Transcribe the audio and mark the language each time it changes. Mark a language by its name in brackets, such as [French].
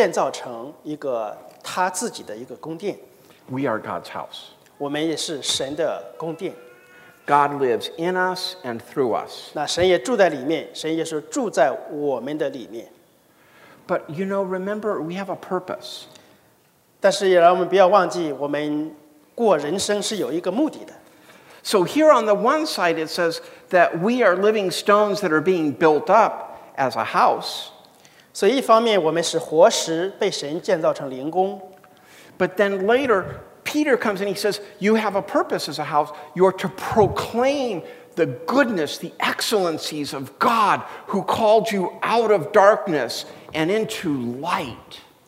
[Chinese] 这个比喻呢,就是在讲我们乃是被神所使用建造成一个他自己的一个宫殿。 [English] We are God's house. [Chinese] 我们也是神的宫殿。 [English] God lives in us and through us. [Chinese] 那神也住在里面,神也是住在我们的里面。 [English] But you know, remember, we have a purpose. [Chinese] 但是也让我们不要忘记,我们过人生是有一个目的的。 [English] So here on the one side it says that we are living stones that are being built up as a house. [Chinese] 所以一方面我们是活石被神建造成灵宫。 [English] But then later, Peter comes and he says, you have a purpose as a house. You're to proclaim the goodness, the excellencies of God who called you out of darkness and into light.